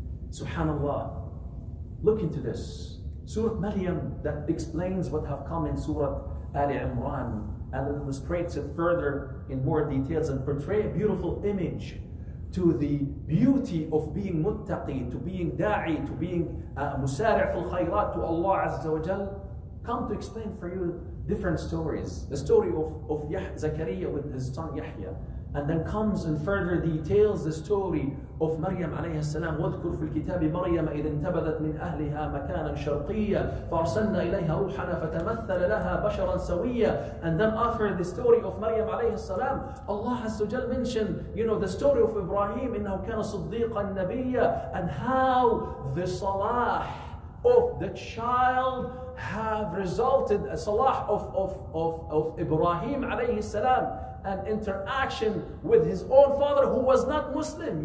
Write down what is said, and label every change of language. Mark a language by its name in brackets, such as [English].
[English] Subhanallah, look into this. Surah Maryam that explains what have come in Surah Ali Imran and illustrates it further in more details and portray a beautiful image to the beauty of being muttaqi, to being da'i, to being musari' fil khayrat to Allah Azza wa Jal. Come to explain for you different stories. The story of Zakariya with his son Yahya. And then comes and further details the story of Maryam [Arabic] عليه السلام. واذكر في الكتاب مريم إذ انتبذت من أهلها مكانا شرقيا فأرسلنا إليها روحنا فتمثل لها بشرا سويا. [English] And then after the story of Maryam [Arabic] عليه السلام, [English] Allah has to just mention, you know, the story of Ibrahim, [Arabic] إنه كان صديقا نبيا. [English] And how the salah of the child have resulted, a salah of Ibrahim [Arabic] عليه السلام, [English] an interaction with his own father who was not Muslim.